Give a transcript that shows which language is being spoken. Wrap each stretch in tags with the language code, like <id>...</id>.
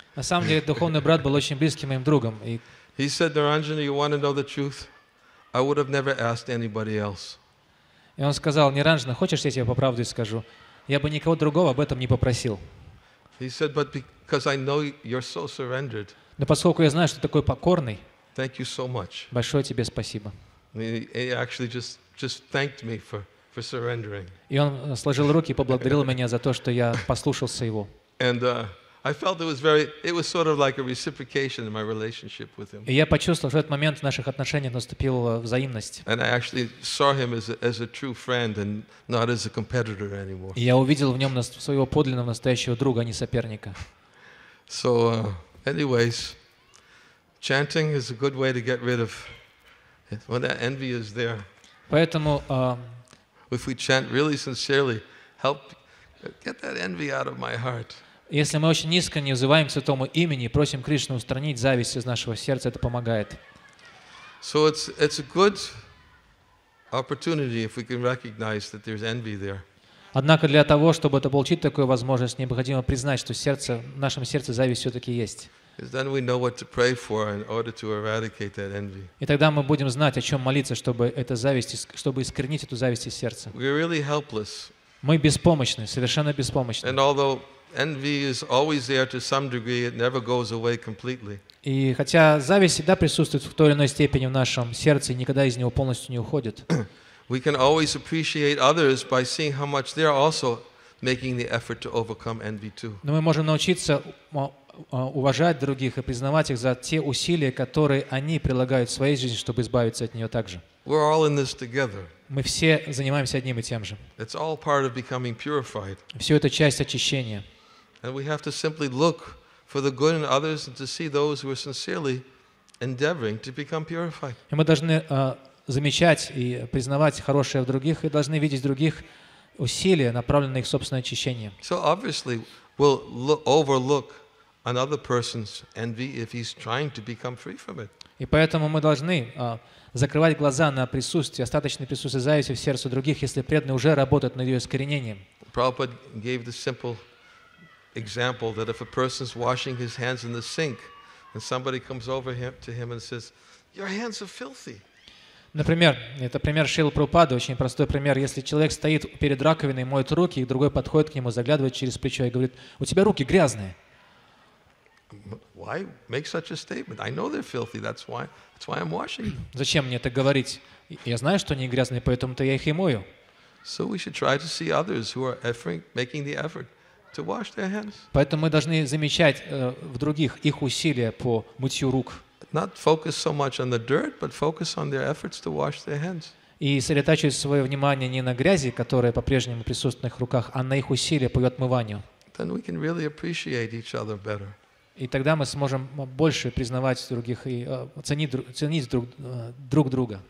<ru>На самом деле, духовный брат был очень близким моим другом.</ru> <en>He said, Niranjana, you want to know the truth? I would have never asked anybody else.</en> <ru>И он сказал, Ниранджана, хочешь, я тебе по правде скажу? Я бы никого другого об этом не попросил.</ru> <en>He said, but because I know you're so surrendered.</en> <ru>Но поскольку я знаю, что ты такой покорный.</ru> <en>Thank you so much.</en> <ru>Большое тебе спасибо.</ru> <en>He actually just thanked me for surrendering.</en> <ru>И он сложил руки и поблагодарил меня за то, что я послушался его.</ru> <en>And I felt it was very, it was sort of like a reciprocation in my relationship with him.</en> <ru>И я почувствовал, что в этот момент в наших отношениях наступила взаимность.</ru> <en>And I actually saw him as a true friend and not as a competitor anymore.</en> <ru>Я увидел в нем своего подлинного настоящего друга, а не соперника.</ru> <en>So, anyways, chanting is a good way to get rid of when that envy is there.</en> <ru>Поэтому,</ru> <en>if we chant really sincerely, help get that envy out of my heart.</en> <ru>Если мы очень искренне взываем к Святому имени и просим Кришну устранить зависть из нашего сердца, это помогает.</ru> <en>So it's a good opportunity if we can recognize that there's envy there.</en> <ru>Однако для того, чтобы это получить такую возможность, необходимо признать, что сердце, в нашем сердце зависть все-таки есть.</ru> <en>Then we know what to pray for in order to eradicate that envy.</en> <ru>И тогда мы будем знать, о чем молиться, чтобы эта зависть, чтобы искоренить эту зависть из сердца.</ru> <en>We're really helpless.</en> <ru>Мы беспомощны, совершенно беспомощны.</ru> <en>And although envy is always there to some degree, it never goes away completely.</en> <ru>И хотя зависть всегда присутствует в той или иной степени в нашем сердце, никогда из него полностью не уходит.</ru> <en>We can always appreciate others by seeing how much they are also making the effort to overcome envy too.</en> <ru>Но мы можем научиться уважать других и признавать их за те усилия, которые они прилагают в своей жизни, чтобы избавиться от нее также.</ru> <en>We're all in this together.</en> <ru>Мы все занимаемся одним и тем же.</ru> <en>It's all part of becoming purified.</en> <ru>Все это часть очищения.</ru> <en>And we have to simply look for the good in others and to see those who are sincerely endeavoring to become purified.</en> <ru>И мы должны замечать и признавать хорошее в других и должны видеть в других усилия, направленные их собственное очищение.</ru> <en>So obviously we'll overlook another person's envy if he's trying to become free from it.</en> <ru>И поэтому мы должны закрывать глаза на присутствие, остаточное присутствие зависти в сердце других, если преданные уже работают над ее искоренением.</ru> <en>Prabhupada gave the simple example that if a person's washing his hands in the sink and somebody comes over to him and says, "Your hands are filthy."</en> <ru>Например, это пример Шрилы Прабхупады, очень простой пример. Если человек стоит перед раковиной, моет руки, и другой подходит к нему, заглядывает через плечо и говорит, "У тебя руки грязные."</ru> <en>Why make such a statement? I know they're filthy. That's why I'm washing them.</en> <ru>Зачем мне это говорить? Я знаю, что они грязные, поэтому-то я их и мою.</ru> <en>So we should try to see others who are effort, making the effort to wash their hands.</en> <ru>Поэтому мы должны замечать в других их усилия по мытью рук.</ru> <en>Not focus so much on the dirt, but focus on their efforts to wash their hands.</en> <ru>И сосредоточить свое внимание не на грязи, которая по-прежнему присутствует на их руках, а на их усилия по ее отмыванию.</ru> <en>Then we can really appreciate each other better.</en> <ru>И тогда мы сможем больше признавать других и ценить друг друга</ru>